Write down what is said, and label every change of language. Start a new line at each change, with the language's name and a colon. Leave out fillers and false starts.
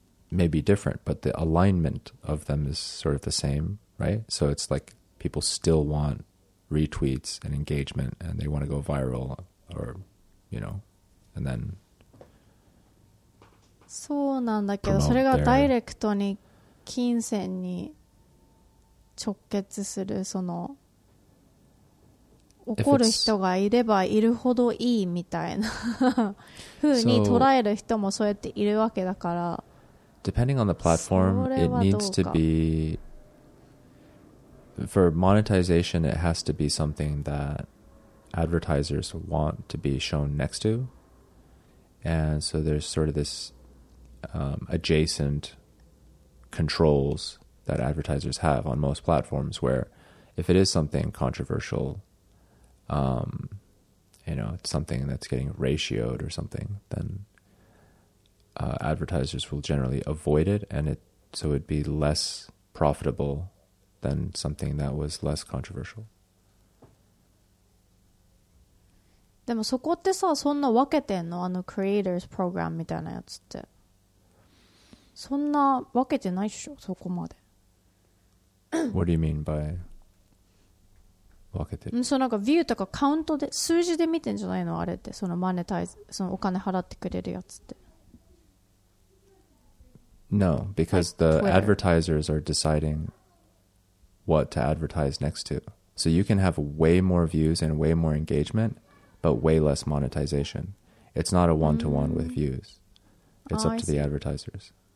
English: may be different, but the alignment of them is sort of the same, right? So it's like people still want retweets and engagement, and they want to go viral, or, you know, and then.
Japanese: そうなんだけど、それがダイレクトに金銭に直結する、その怒る人がいればいるほどいいみたいな風に捉える人もそうやっているわけだから、
English: depending on the platform it needs to be for monetization, it has to be something that advertisers want to be shown next to, and so there's sort of this adjacent controls that advertisers have on most platforms, where if it is something controversial, you know, it's something that's getting ratioed or something, then advertisers will generally avoid it, and it so it'd be less profitable than something that was less controversial.
Japanese: でもそこってさ、そんな分けてんの？あの creators program みたいなやつって。そんな分けてないっしょ、そこまで。
English: What do you mean by
Japanese: 分けてる？そのなんかビューとかカウントで数字で見てんじゃないの、あれって、そのマネタイズ、そのお金払ってくれるやつって。
English: No, because the advertisers are deciding what to advertise next to. So you can have way more views and way more engagement, but way less monetization. It's not a one-to-one with views. It's up to the advertisers.